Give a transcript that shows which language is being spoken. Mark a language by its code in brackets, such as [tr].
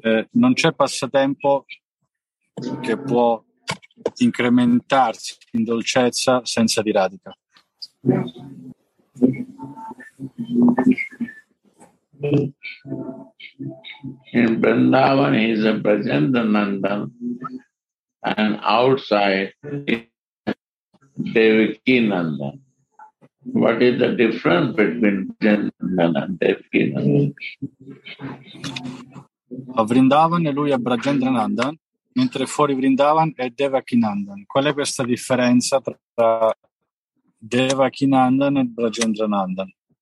[it] Non c'è passatempo che può incrementarsi in dolcezza senza di Radhika. [en] In Vrindavan, he is a Brajendanandan, and outside Devaki Nandan. What is the difference between Brajendanandan and Devaki Nandan? [it] Vrindavan e lui è Brajendanandan, mentre fuori Vrindavan è Devaki Nandan. Qual è questa differenza tra Devaki Nandan e Brajendanandan?